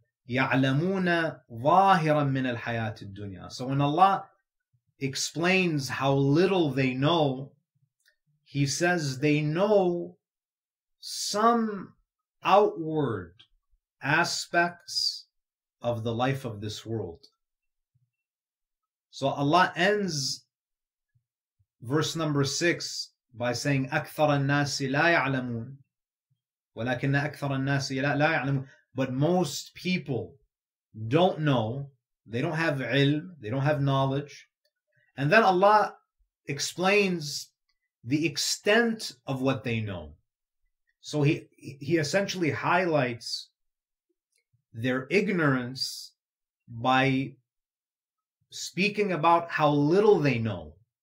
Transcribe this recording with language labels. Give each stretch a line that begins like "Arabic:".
Arabic: يَعْلَمُونَ ظَاهِرًا مِّنَ الْحَيَاةِ الدُّنْيَا.
English: So when Allah explains how little they know, he says they know some outward aspects of the life of this world. So Allah ends verse number 6 by saying,
Arabic: أَكْثَرَ النَّاسِ لَا يَعْلَمُونَ وَلَكِنَّ أَكْثَرَ النَّاسِ لَا يَعْلَمُونَ.
English: But most people don't know, they don't have ilm, they don't have knowledge. And then Allah explains the extent of what they know. So He essentially highlights their ignorance by speaking about how little they know.